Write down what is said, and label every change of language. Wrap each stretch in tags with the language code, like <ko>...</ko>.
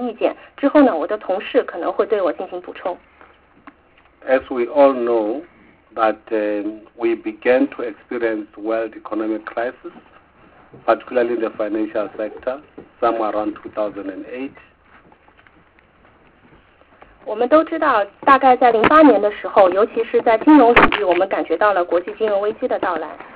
<zh>那么下面呢，我就想借此机会简要的谈一谈我个人对于国际金融危机对南非的影响的一些体会。我想说呢，我谈的呢只是我个人的观点，并不是我们委员会形成的意见。之后呢，我的同事可能会对我进行补充。</zh> <en>As we all know that we began to experience world economic crisis, particularly in the financial sector, somewhere around 2008.</en> <zh>我们都知道，大概在08年的时候，尤其是在金融领域，我们感觉到了国际金融危机的到来。</zh>